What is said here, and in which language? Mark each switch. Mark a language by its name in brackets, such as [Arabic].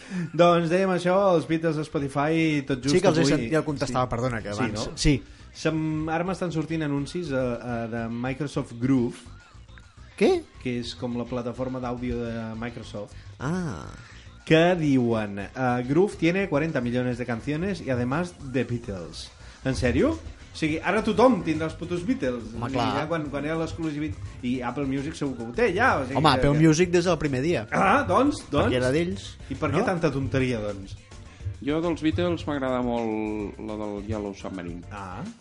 [Catalan] Doncs dèiem això, els Beatles de Spotify, tot just avui... Sí, que els avui... ja el contestava, sí. Perdona, que abans... Sí, no? Sí. Ara m'estan sortint anuncis de Microsoft Groove. Què? Que és com la plataforma d'àudio de Microsoft. Ah. Que diuen, [Spanish] Groove tiene 40 millones de canciones y además de Beatles. [Catalan] En sèrio? O sigui, ara tothom tindrà els putos Beatles. Home, clar. Ja, quan era l'exclusivitat, i Apple Music segur que ho té, ja. O sigui, home, Apple Music des del primer dia. Ah, doncs. Perquè era d'ells. I per què tanta tonteria, doncs? Jo dels Beatles m'agrada molt la del Yellow Submarine. Ah.